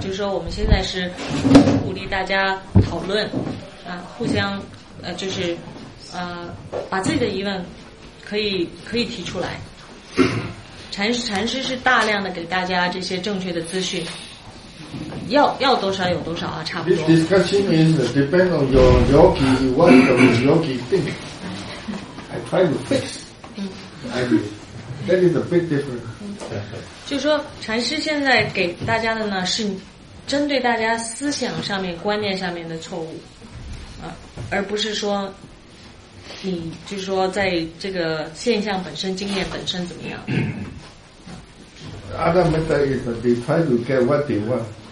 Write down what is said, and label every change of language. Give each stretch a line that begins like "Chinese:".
Chinese: 就是说，我们现在是鼓励大家讨论，互相，就是，把自己的疑问。可以提出来，禅师是大量的给大家这些正确的资讯，要多少有多少啊，差不多。
English: This discussion is depend on your yogi, what the yogi think. I try to fix. That is a big difference.
Chinese: 就说禅师现在给大家的呢是针对大家思想上面观念上面的错误啊，而不是说你就是说在这个现象本身经验本身怎么样。
English: Other method is that they try to get what they want.